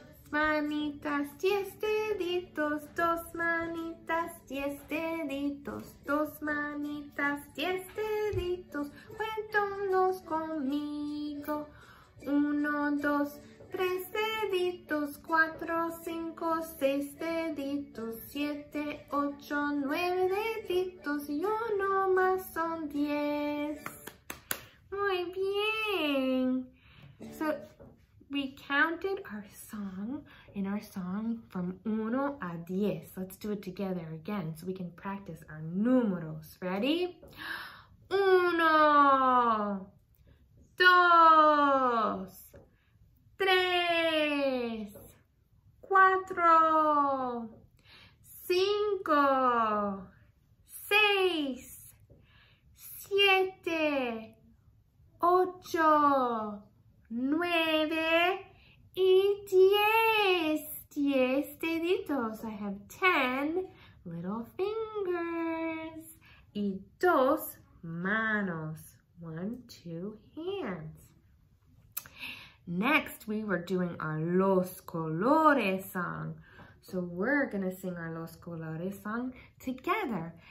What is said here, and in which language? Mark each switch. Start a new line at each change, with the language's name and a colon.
Spanish: Manitas, diez deditos, dos manitas, diez deditos, dos manitas, diez deditos, cuéntanos conmigo. Uno, dos, tres deditos, cuatro, cinco, seis deditos, siete, ocho, nueve deditos y uno más son diez. Muy bien.
English: So we counted our song in our song from
Spanish: uno a diez.
English: Let's do it together again so we can practice our números. Ready?
Spanish: Uno. Dos. Tres, cuatro, cinco, seis, siete, ocho, nueve, y diez. Diez deditos.
English: I have ten little fingers.
Spanish: Y dos manos.
English: One, two hands. Next, we were doing our Los Colores song. So we're gonna sing our Los Colores song together.